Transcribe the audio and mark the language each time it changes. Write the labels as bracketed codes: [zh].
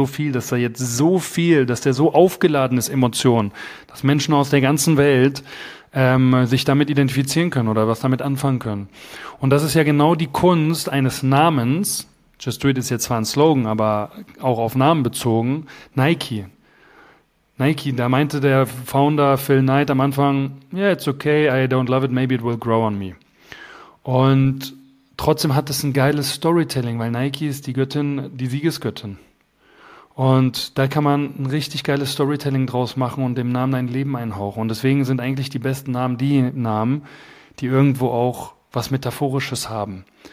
[de] So viel, dass da jetzt so viel, dass der so aufgeladen ist, Emotionen, dass Menschen aus der ganzen Welt sich damit identifizieren können oder was damit anfangen können. Und das ist ja genau die Kunst eines Namens. Just Do It ist jetzt zwar ein Slogan, aber auch auf Namen bezogen, Nike. [en] Nike, [de] da meinte der Founder Phil Knight am Anfang, [en] yeah, it's okay, I don't love it, maybe it will grow on me. [de] Und trotzdem hat es ein geiles Storytelling, weil Nike ist die Göttin, die Siegesgöttin. Und da kann man ein richtig geiles Storytelling draus machen und dem Namen ein Leben einhauchen. Und deswegen sind eigentlich die besten Namen die Namen, die irgendwo auch was Metaphorisches haben.